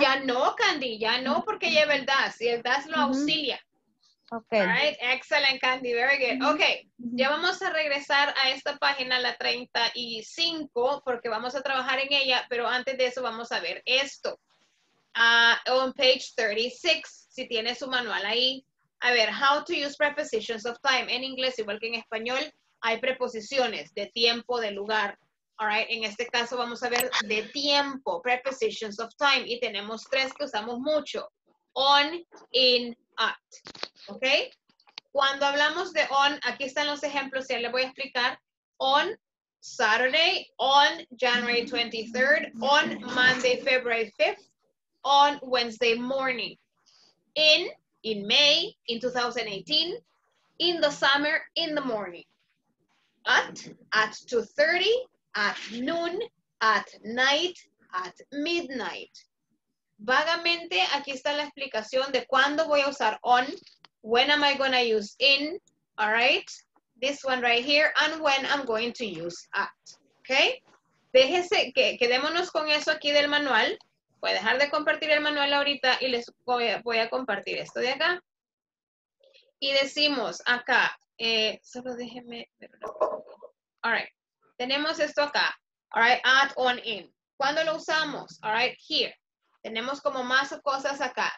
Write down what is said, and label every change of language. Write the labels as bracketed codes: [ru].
[es] Ya no, Candy, ya no porque lleva el does y el does lo auxilia. [en] Okay. All right, excellent, Candy, very good. [es] Okay, ya vamos a regresar a esta página, la 35, porque vamos a trabajar en ella, pero antes de eso vamos a ver esto. [en] On page 36, [es] si tiene su manual ahí. A ver, [en] how to use prepositions of time. [es] En inglés, igual que en español, hay preposiciones de tiempo, de lugar. All right, en este caso vamos a ver de tiempo, [en] prepositions of time, [es] y tenemos tres que usamos mucho. On, in, at. ¿Ok? Cuando hablamos de on, aquí están los ejemplos, ya les voy a explicar. [en] On Saturday, on January 23rd, on Monday, February 5th, on Wednesday morning. In May, in 2018, in the summer, in the morning. At 2:30, at noon, at night, at midnight. [es] Vagamente, aquí está la explicación de cuándo voy a usar on, [en] when am I going to use in, [es] all right? [en] This one right here, and when I'm going to use at, okay? [es] Déjese, quedémonos con eso aquí del manual. Voy a dejar de compartir el manual ahorita y les voy a compartir esto de acá. Y decimos acá, solo déjeme, all right, tenemos esto acá, all right, at, on, in. ¿Cuándo lo usamos? All right, here. Tenemos como más cosas acá.